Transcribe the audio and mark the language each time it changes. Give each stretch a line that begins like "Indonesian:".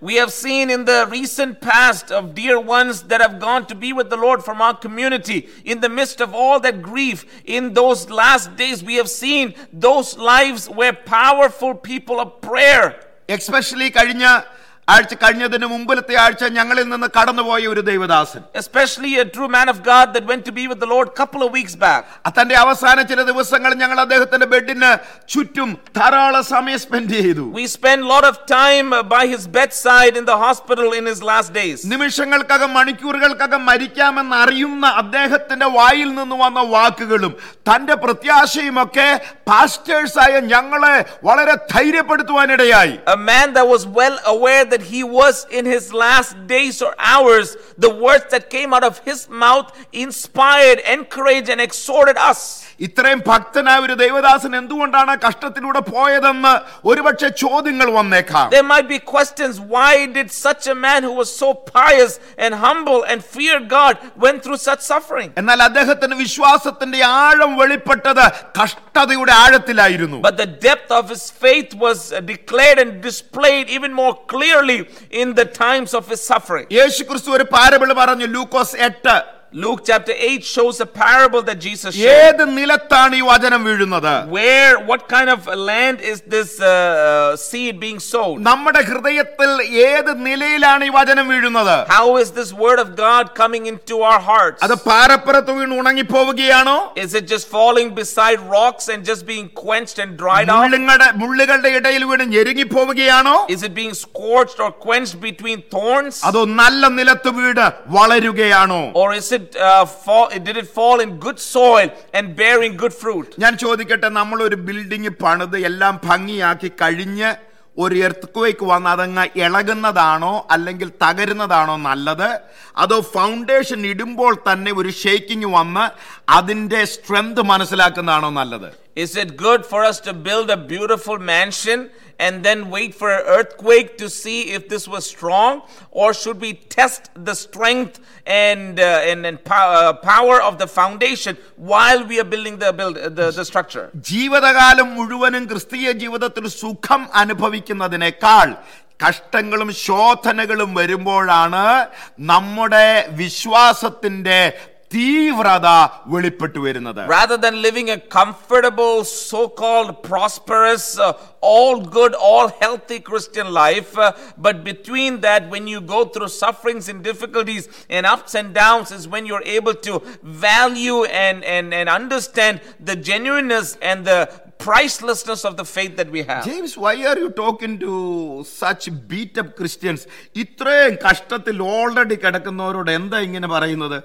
English: We have seen in the recent past of dear ones that have gone to be with the Lord from our community, in the midst of all that grief, in those last days, we have seen those lives were powerful people of prayer.
Malayalam: Especially കഴിഞ്ഞ ആഴ്ച, കഴിഞ്ഞതിന് മുമ്പിലത്തെ ആഴ്ച, ഞങ്ങളിൽ നിന്ന് കടന്നുപോയ ഒരു ദൈവദാസൻ,
English: especially a true man of God that went to be with the Lord couple of weeks back,
Malayalam: അതിന്റെ അവസാന ചില ദിവസങ്ങളിൽ ഞങ്ങൾ അദ്ദേഹത്തിന്റെ ബെഡിന് ചുറ്റും ധാരാളം സമയം സ്പെൻഡ് ചെയ്തു.
English: We spent a lot of time by his bedside in the hospital in his last days.
Malayalam: നിമിഷങ്ങൾക്കകം, മണിക്കൂറുകൾക്കകം മരിക്കാമെന്ന് അറിയുന്ന അദ്ദേഹത്തിന്റെ വായിൽ നിന്ന് വന്ന വാക്കുകളും തന്റെ പ്രത്യാശയും ഒക്കെ പാസ്റ്റേഴ്സ് ആയ ഞങ്ങളെ വളരെ ധൈര്യപ്പെടുത്തുവാനിടയായി.
English: A man that was well aware that he was in his last days or hours, the words that came out of his mouth inspired, encouraged and exhorted us.
Malayalam: ഇത്രയും ഭക്തനായ ഒരു ദൈവദാസൻ എന്തുകൊണ്ടാണ് കഷ്ടത്തിലൂടെ പോയതെന്ന് ഒരുപക്ഷെ ചോദ്യങ്ങൾ വന്നേക്കാം.
English: There might be questions, why did such a man who was so pious and humble and feared God went through such suffering?
Malayalam: എന്നാൽ അദ്ദേഹത്തിന്റെ വിശ്വാസത്തിന്റെ ആഴം വെളിപ്പെട്ടത് കഷ്ടതയുടെ ആഴത്തിലായിരുന്നു.
English: But the depth of his faith was declared and displayed even more clearly in the times of his suffering.
Malayalam: യേശുക്രിസ്തു ഒരു parable പറഞ്ഞു, ലൂക്കോസ് 8
English: Luke chapter 8 shows a parable that Jesus shared.
Malayalam: ഏത് നിലത്താണ് ഈ വചനം വീഴുന്നത്?
English: Where, what kind of land is this seed being sown?
Malayalam: നമ്മുടെ ഹൃദയത്തിൽ ഏത് നിലയിലാണ് ഈ വചനം വീഴുന്നത്?
English: How is this word of God coming into our hearts?
Malayalam: അത് പാറപ്പുറത്ത് വീണ് ഉണങ്ങി പോവുകയാണോ?
English: Is it just falling beside rocks and just being quenched and dried up?
Malayalam: മുള്ളുകളുടെ ഇടയിൽ വീണ് ഞെരുങ്ങി പോവുകയാണോ?
English: Is it being scorched or quenched between thorns?
Malayalam: അതോ നല്ല നിലത്ത് വീട് വളരുകയാണോ?
English: Or is it did it fall in good soil and bearing good fruit?
Malayalam: ഞാൻ ചോദിക്കട്ടെ, നമ്മൾ ഒരു ബിൽഡിംഗ് പണിത് എല്ലാം ഭംഗിയാക്കി കഴിഞ്ഞ് ഒരു എർത്ത്ക്വേക്ക് വന്ന് അതങ്ങ് ഇളകുന്നതാണോ അല്ലെങ്കിൽ തകരുന്നതാണോ നല്ലത്? അതോ ഫൗണ്ടേഷൻ ഇടുമ്പോൾ തന്നെ ഒരു ഷേക്കിംഗ് വന്ന് അതിന്റെ സ്ട്രെങ്ത് മനസ്സിലാക്കുന്നതാണോ നല്ലത്?
English: Is it good for us to build a beautiful mansion and then wait for an earthquake to see if this was strong, or should we test the strength and power of the foundation while we are building the structure?
Malayalam: ജീവിതകാലം മുഴുവനും ക്രിസ്തീയ ജീവിതത്തിൽ സുഖം അനുഭവിക്കുന്നതിനേക്കാൾ കഷ്ടങ്ങളും ശോധനകളും വരുമ്പോഴാണ് നമ്മുടെ വിശ്വാസത്തിന്റെ തീവ്രത വെളിപ്പെട്ടു വരുന്നത്.
English: Rather than living a comfortable, so-called prosperous, all good, all healthy Christian life, but between that, when you go through sufferings and difficulties and ups and downs, is when you're able to value and understand the genuineness and the pricelessness of the faith that we have. James, why are you talking to such beat up Christians?
Malayalam: ഇത്രയും കഷ്ടത്തിൽ already കിടക്കുന്നവരോട് എന്താ ഇങ്ങനെ പറയുന്നത്?